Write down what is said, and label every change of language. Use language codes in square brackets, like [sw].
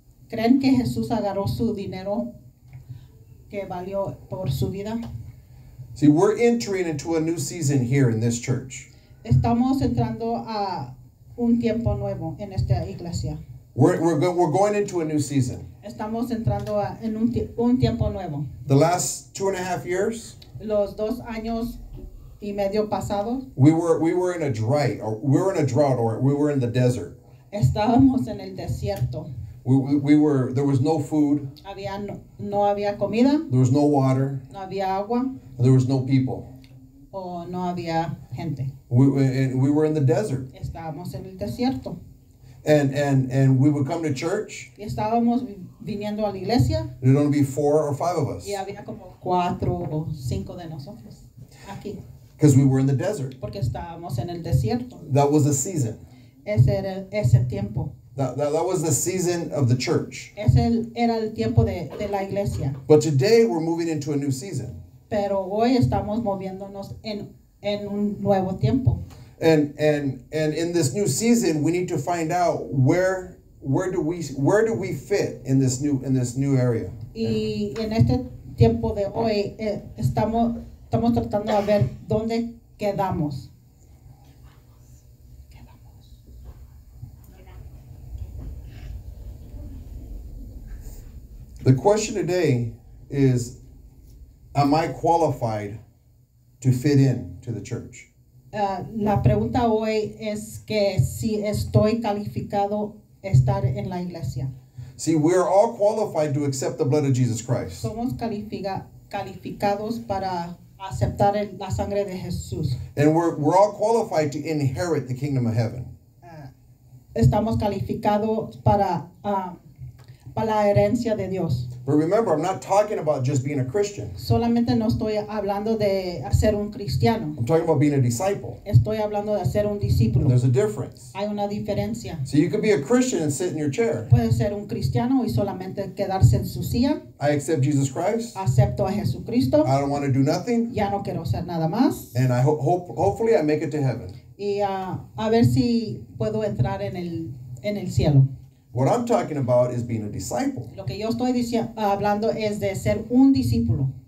[es] ¿Creen que Jesús agarró su dinero que valió por su vida? [en] See, we're entering into a new season here in this church. [es] Estamos entrando a un tiempo nuevo en esta iglesia. [en] We're going into a new season. [es] Estamos entrando en un tiempo nuevo. [en] The last 2.5 years. [es] Los dos años y medio pasados. [en] We were in the desert. [es] Estábamos en el desierto. [en] There was no food. [es] Había no había comida. [en] There was no water. [es] No había agua. [en] There was no people. [es] O no había gente. [en] We were in the desert. [es] Estábamos en el desierto. [en] And we would come to church. [es] Estábamos viniendo a la iglesia. [en] It would only be 4 or 5 of us. [es] Y había como 4 o 5 de nosotros aquí. [en] Because we were in the desert. [es] Porque estábamos en el desierto. [en] That was the season. [es] Ese era ese tiempo. [en] That was the season of the church. [es] Ese era el tiempo de la iglesia. [en] But today we're moving into a new season. [es] Pero hoy estamos moviéndonos en un nuevo tiempo. [en] And in this new season, we need to find out where do we fit in this new area. [es] Y en este tiempo de hoy estamos tratando a ver dónde quedamos. [en] The question today is, am I qualified to fit in to the church? [es] La pregunta hoy es que si estoy calificado estar en la iglesia. [en] See, we are all qualified to accept the blood of Jesus Christ. [es] Somos calificados para aceptar la sangre de Jesús. [en] And we're all qualified to inherit the kingdom of heaven. [es] Estamos calificados para la herencia de Dios. [en] But remember, I'm not talking about just being a Christian. [es] Solamente no estoy hablando de ser un cristiano. [en] I'm talking about being a disciple. [es] Estoy hablando de ser un discípulo. [en] And there's a difference. [es] Hay una diferencia. [en] So you could be a Christian and sit in your chair. [es] Puede ser un cristiano y solamente quedarse en su silla. [en] I accept Jesus Christ. [es] Acepto a Jesucristo. [en] I don't want to do nothing. [es] Ya no quiero hacer nada más. [en] And I hopefully I make it to heaven. [es] Y a ver si puedo entrar en el cielo. [en] What I'm talking about is being a disciple. [es] Lo que yo estoy hablando es de ser un discípulo.